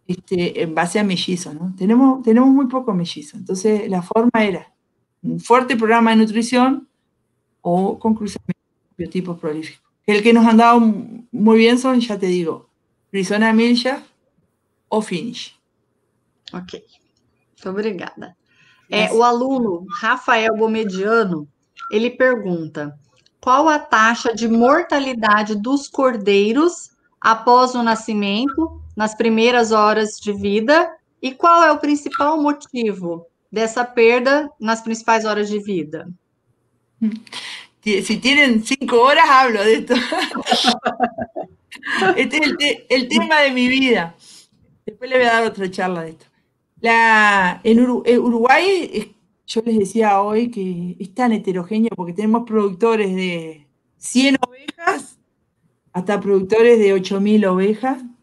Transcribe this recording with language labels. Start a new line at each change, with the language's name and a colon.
Spanish: En base a mellizos, ¿no? Tenemos muy poco mellizo. Entonces, la forma era un fuerte programa de nutrición o con cruzamiento de biotipos prolíficos. El que nos han dado muy bien son, ya te digo, Frisona Milja o Finish.
Portuguese: Ok, muito obrigada. O
Spanish: Gracias.
Portuguese: aluno Rafael Bomediano, ele pergunta: qual a taxa de mortalidade dos cordeiros após o nascimento, nas primeiras horas de vida, e qual é o principal motivo dessa perda nas principais horas de vida?
Spanish: Si tienen 5 horas, hablo de esto. Este es el tema de mi vida. Después le voy a dar otra charla de esto. En Uruguay, yo les decía hoy que es tan heterogéneo porque tenemos productores de 100 ovejas hasta productores de 8.000 ovejas.